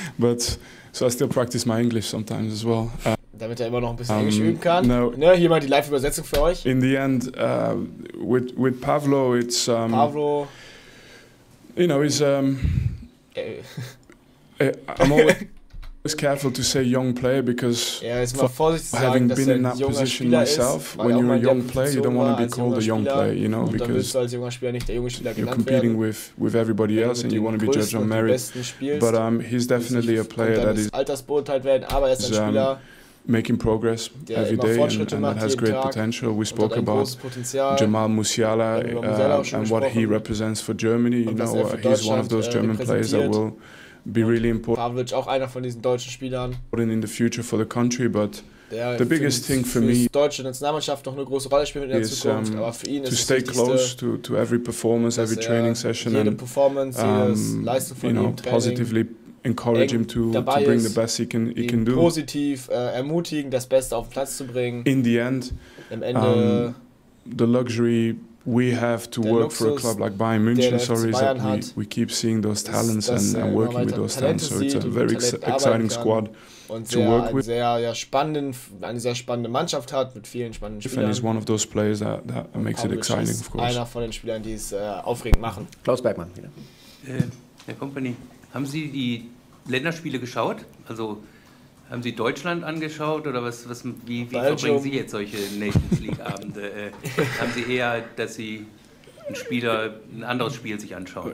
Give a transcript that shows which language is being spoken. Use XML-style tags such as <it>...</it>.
<en>But so I still practice my English sometimes as well.</en> <de>Damit er immer noch ein bisschen Englisch üben kann. No, ne, hier mal die Live-Übersetzung für euch.</de> <en>In the end, with Pavlo, it's... Pavlo... You know, he's... I'm always careful to say young player because having been in that position myself, when you're a young player, you don't want to be called a young player, you know, because you're competing with everybody else and you want to be judged on merit. But he's definitely a player that is making progress every day and that has great potential. We spoke about Jamal Musiala and what he represents for Germany. You know, he's one of those German players that will be really important.</en> <de>Pavlovic auch einer von diesen deutschen Spielern.</de> <en>In the future for the country, but the biggest thing for me</en> <de>is deutsche Nationalmannschaft noch eine große Rolle spielen in der Zukunft, aber für ihn ist</de> <en>to stay close to every performance, every training session and positively encourage him to bring the best he can do.</en> <de>Positiv ermutigen, das Beste auf den Platz zu bringen.</de> <en>In the end, the luxury we have to work for a club like Bayern München, we keep seeing those talents and working with those talents. So it's a very exciting squad to work with.</en> <de>Sehr, ja, eine sehr spannende Mannschaft hat mit vielen spannenden Spielern.</de> <en>And he's one of those players that makes it exciting, of course.</en> <de>Einer von den Spielern, die es aufregend machen. Klaus Bergmann. Herr Kompany, haben Sie die Länderspiele geschaut? Also haben Sie Deutschland angeschaut oder wie verbringen Sie jetzt solche Nations League Abende? Haben Sie eher, dass Sie ein anderes Spiel sich anschauen?</de>